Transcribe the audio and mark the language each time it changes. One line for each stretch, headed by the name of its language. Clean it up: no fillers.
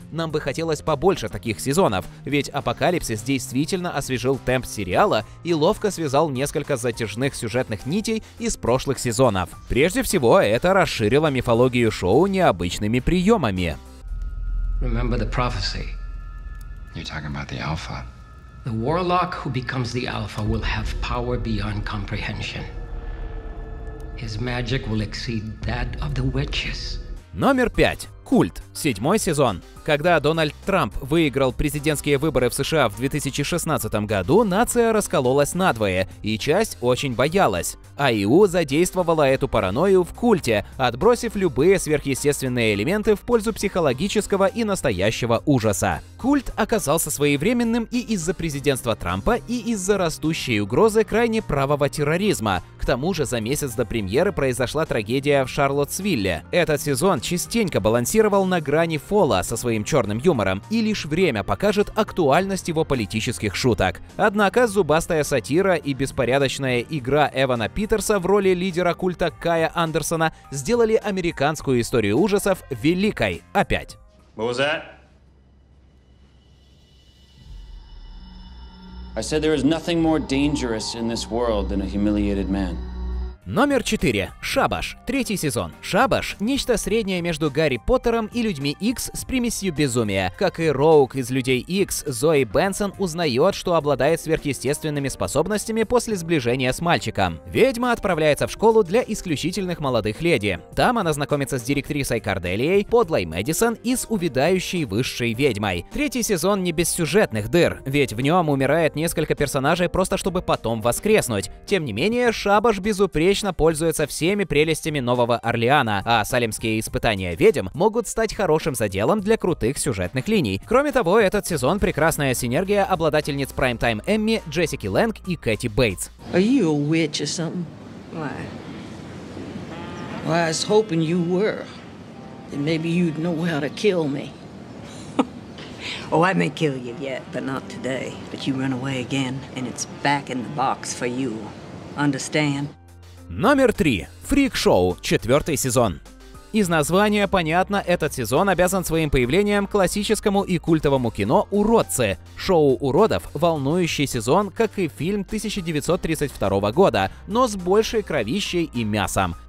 Russian: Нам бы хотелось побольше таких сезонов, ведь Апокалипсис действительно освежил темп сериала и ловко связал несколько затяжных сюжетных нитей из прошлых сезонов. Прежде всего, это расширило мифологию шоу необычными приемами.
English: Remember the prophecy. You're talking about the Alpha. The warlock who becomes the Alpha will have power beyond comprehension. His magic will exceed that of the witches.
Russian: Номер 5. Культ. Седьмой сезон. Когда Дональд Трамп выиграл президентские выборы в США в 2016 году, нация раскололась надвое, и часть очень боялась. АИУ задействовала эту паранойю в культе, отбросив любые сверхъестественные элементы в пользу психологического и настоящего ужаса. Культ оказался своевременным и из-за президентства Трампа, и из-за растущей угрозы крайне правого терроризма. К тому же за месяц до премьеры произошла трагедия в Шарлоттсвилле. Этот сезон частенько балансировал на грани фола со своим черным юмором, и лишь время покажет актуальность его политических шуток. Однако зубастая сатира и беспорядочная игра Эвана Питерса в роли лидера культа Кая Андерсона сделали американскую историю ужасов великой опять.
English: I said there is nothing more dangerous in this world than a humiliated man.
Russian: Номер 4. Шабаш. Третий сезон. Шабаш – нечто среднее между Гарри Поттером и Людьми Икс с примесью безумия. Как и Роук из Людей Икс, Зои Бенсон узнает, что обладает сверхъестественными способностями после сближения с мальчиком. Ведьма отправляется в школу для исключительных молодых леди. Там она знакомится с директрисой Корделией, подлой Мэдисон и с увядающей высшей ведьмой. Третий сезон не без сюжетных дыр, ведь в нем умирает несколько персонажей просто чтобы потом воскреснуть. Тем не менее, Шабаш безупречно отлично пользуется всеми прелестями Нового Орлеана, а салемские испытания ведьм могут стать хорошим заделом для крутых сюжетных линий. Кроме того, этот сезон — прекрасная синергия обладательниц прайм-тайм Эмми, Джессики Лэнг и Кэти Бейтс.
English: Are you a witch or something? Why? Well, I was hoping you were. Then maybe you'd know how to kill me. Oh, I may kill you yet, but not today. But you run away again, and it's back in the box for you. Understand?
Russian: Номер 3. Фрик-шоу. Четвертый сезон. Из названия понятно, этот сезон обязан своим появлением классическому и культовому кино «Уродцы». Шоу уродов – волнующий сезон, как и фильм 1932 года, но с большей кровищей и мясом.